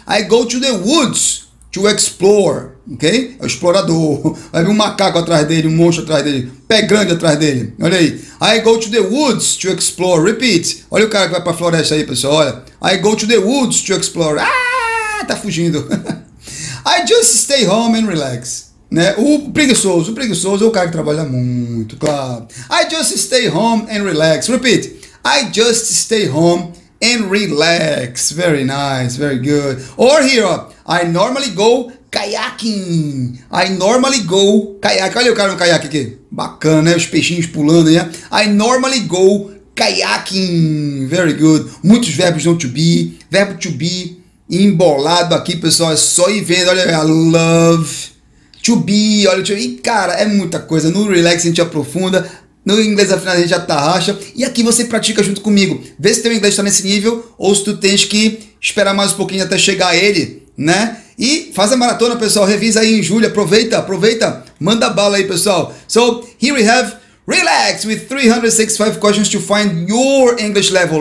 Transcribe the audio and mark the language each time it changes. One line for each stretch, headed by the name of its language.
English: I go to the woods to explore, ok?
Portuguese: É o explorador. Vai vir um macaco atrás dele, um monstro atrás dele, pé grande atrás dele. Olha aí.
English: I go to the woods to explore. Repeat.
Portuguese: Olha o cara que vai pra floresta aí, pessoal.
English: Olha. I go to the woods to explore.
Portuguese: Ah, tá fugindo.
English: I just stay home and relax.
Portuguese: Né? O preguiçoso é o cara que trabalha muito, claro.
English: I just stay home and relax. Repeat. I just stay home and relax. Very nice, very good. Or here, I normally go kayaking. I normally go kayaking.
Portuguese: Olha o cara no caiaque aqui. Bacana, né? Os peixinhos pulando, né?
English: I normally go kayaking. Very good.
Portuguese: Muitos verbos não to be. Verbo to be embolado aqui, pessoal. É só ir vendo. Olha,
English: I love to be.
Portuguese: Olha, to be. E, cara, é muita coisa. No relax a gente aprofunda. No inglês, afinal, a gente já tá racha. E aqui você pratica junto comigo. Vê se teu inglês tá nesse nível ou se tu tens que esperar mais um pouquinho até chegar a ele, né? E faz a maratona, pessoal. Revisa aí em julho. Aproveita. Manda bala aí, pessoal.
English: So, here we have Relax with 365 questions to find your English level.